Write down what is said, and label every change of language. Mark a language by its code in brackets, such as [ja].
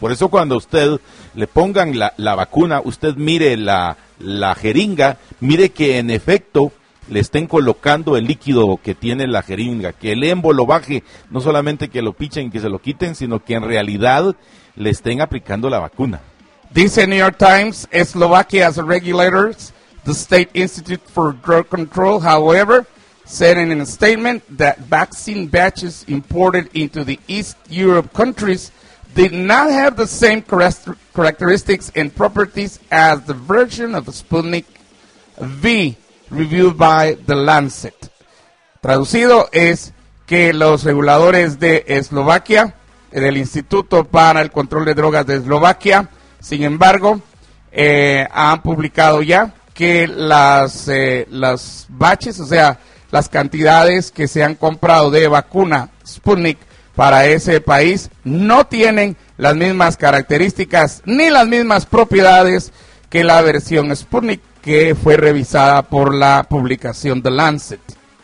[es] Por eso cuando usted le pongan la vacuna, usted mire la jeringa, mire que en efecto le estén colocando el líquido que tiene la jeringa, que el embo lo baje, no solamente que lo pichen y que se lo quiten, sino que en realidad le estén aplicando la vacuna. Dice [en] New York Times, Slovakia's regulators, the State Institute for Drug Control, however, said in a statement that vaccine batches imported into the East Europe countries did not have the same characteristics and properties as the version of Sputnik V. Reviewed by The Lancet. [es] Traducido es que los reguladores de Eslovaquia, del Instituto para el Control de Drogas de Eslovaquia, sin embargo, han publicado ya que las batches, o sea, las cantidades que se han comprado de vacuna Sputnik para ese país, no tienen las mismas características ni las mismas propiedades que la versión Sputnik que fue revisada por la publicación The Lancet.